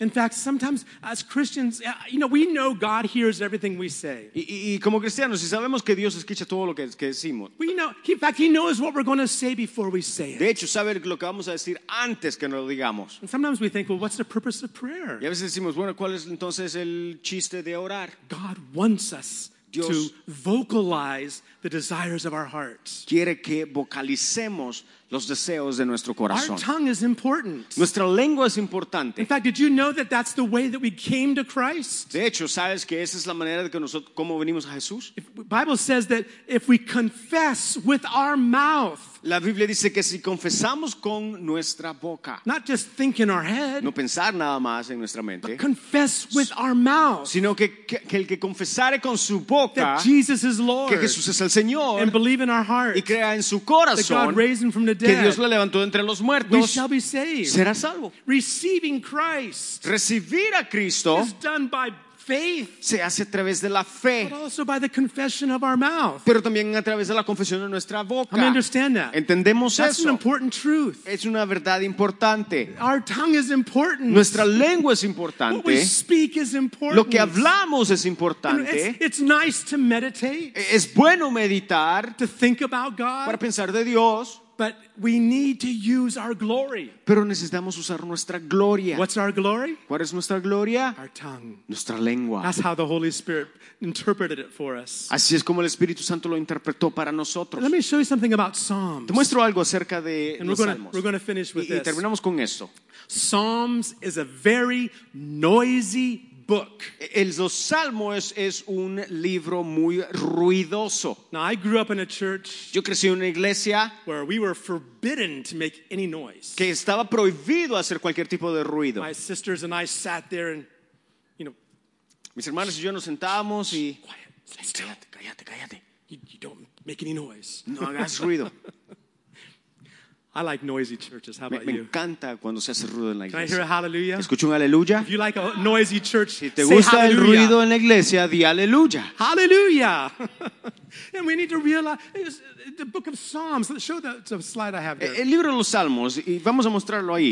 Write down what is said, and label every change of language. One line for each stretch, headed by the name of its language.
English: In fact, sometimes as Christians, you know, we know God hears everything we say.
Spanish: Y como cristianos, si sabemos que Dios escucha todo lo que decimos.
English: We know, in fact, he knows what we're going to say before we say it.
Spanish: De hecho, sabe lo que vamos a decir antes que nos lo digamos.
English: And sometimes we think, well, what's the purpose of prayer?
Spanish: Y a veces decimos, bueno, ¿cuál es entonces el chiste de orar?
English: God wants us to vocalize the desires of our hearts.
Spanish: Quiere que vocalicemos los deseos de nuestro corazón.
English: Our tongue is important.
Spanish: Nuestra lengua es importante.
English: In fact, did you know that that's the way that we came to Christ?
Spanish: De hecho, ¿sabes que esa es la manera de que nosotros cómo venimos a Jesús?
English: The Bible says that if we confess with our mouth.
Spanish: La Biblia dice que si confesamos con nuestra boca.
English: Not just think in our head.
Spanish: No pensar nada más en nuestra mente.
English: But confess with our mouth.
Spanish: Sino que el que confesare con su boca.
English: That Jesus is Lord.
Spanish: Que Jesús es el Señor.
English: And believe in our heart.
Spanish: Y crea en su corazón.
English: That God raised him from the dead.
Spanish: Que Dios lo levantó entre los muertos.
English: We shall be saved.
Spanish: Será salvo.
English: Receiving Christ.
Spanish: Recibir a Cristo.
English: Is done by faith.
Spanish: Se hace a través de la fe.
English: But also by the confession of our mouth.
Spanish: Pero también a través de la confesión de nuestra boca.
English: I mean, understand that.
Spanish: Entendemos
English: That's
Spanish: eso.
English: That's an important truth.
Spanish: Es una verdad importante.
English: Our tongue is important.
Spanish: Nuestra lengua es importante.
English: What we speak is important.
Spanish: Lo que hablamos es importante.
English: It's nice to meditate.
Spanish: Es bueno meditar.
English: To think about God.
Spanish: Para pensar de Dios.
English: But we need to use our glory.
Spanish: Pero necesitamos usar nuestra gloria.
English: What's our glory?
Spanish: ¿Cuál es nuestra gloria?
English: Our tongue.
Spanish: Nuestra lengua.
English: That's how the Holy Spirit interpreted it for us.
Spanish: Así es como el Espíritu Santo lo interpretó para nosotros.
English: Let me show you something about Psalms.
Spanish: Te muestro algo acerca de los Salmos.
English: We're going to finish with this.
Spanish: Y terminamos con esto.
English: Psalms is a very noisy book.
Spanish: El Salmo es un libro muy ruidoso.
English: Now, I grew up in a church.
Spanish: Yo crecí en una iglesia
English: where we were forbidden to make any noise.
Spanish: Que estaba prohibido hacer cualquier tipo de ruido.
English: My sisters and I sat there and, you know,
Spanish: Mis hermanos y yo nos sentábamos y Cállate.
English: You don't make any noise.
Spanish: No hagas ruido.
English: I like noisy churches. How about you?
Spanish: Me encanta cuando se hace ruido en la iglesia.
English: Can I hear a hallelujah?
Spanish: Escucho un aleluya.
English: If you like a noisy church,
Spanish: si te gusta el ruido en la iglesia, di aleluya.
English: Hallelujah. And we need to realize the book of Psalms. Show the slide I have there.
Spanish: El libro de los Salmos y vamos a mostrarlo ahí.